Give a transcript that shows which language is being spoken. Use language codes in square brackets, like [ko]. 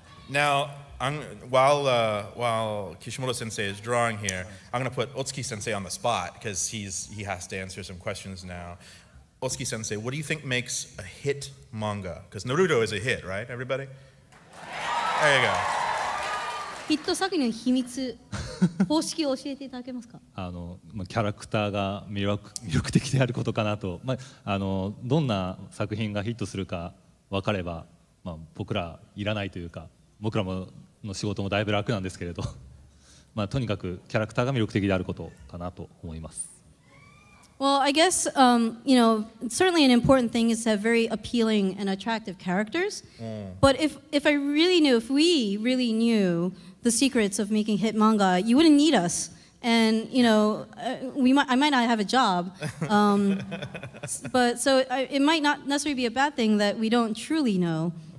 [en] Now, while Kishimoto-sensei is drawing here, I'm going to put Otsuki-sensei on the spot because he has to answer some questions now. Otsuki-sensei, what do you think makes a hit manga? Because Naruto is a hit, right, everybody? There you go. [ja] ヒット作品の秘密、方式を教えていただけますか？キャラクターが魅力的であることかなと、まあ、どんな作品がヒットするか分かれば、まあ、僕らいらないというか、僕らもの仕事もだいぶ楽なんですけれど、まあ、とにかくキャラクターが魅力的であることかなと思います。 [en] Well, I guess, you know, certainly an important thing is to have very appealing and attractive characters. But if we really knew the secrets of making hit manga, you wouldn't need us. And, you know, I might not have a job. It might not necessarily be a bad thing that we don't truly know.